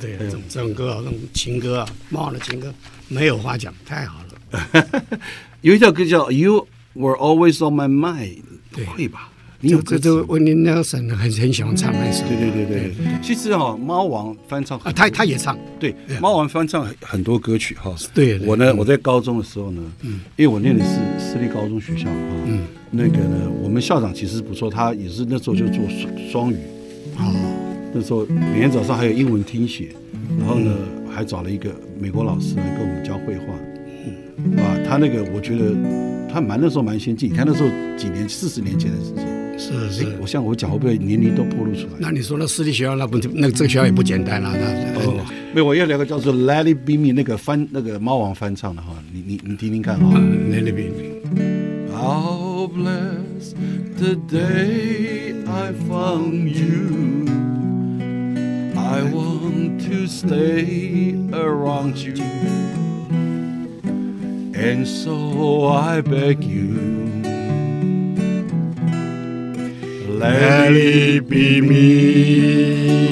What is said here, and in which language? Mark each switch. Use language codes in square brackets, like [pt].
[zh] 是的，这种歌啊，这种情歌啊，猫王的情歌，没有话讲，太好了。有一条歌叫《You Were Always on My Mind》，对，会吧？你有歌词，温妮尔森很喜欢唱那首。对对对 对，其实哈、哦，猫王翻唱啊，他也唱，对，猫王翻唱很多歌曲哈、哦。对，我呢，我在高中的时候呢，因为我念的是私立高中学校哈、那个呢，我们校长其实不错，他也是那时候就做双语。那时候每天早上还有英文听写，然后呢还找了一个美国老师来跟我们教绘画，啊，他那个我觉得他蛮那时候蛮先进，他那时候几年40年前的事情，是是，我像我讲会不会年龄都暴露出来？那你说那私立学校那不那这个学校也不简单了、啊，那哦，没有，我要聊个叫做 Let It Be Me 那个翻那个猫王翻唱的哈，你听听看哈，Let It Be Me。 [en] How blessed the day I found you. I want to stay around you, and so I beg you, let it be me.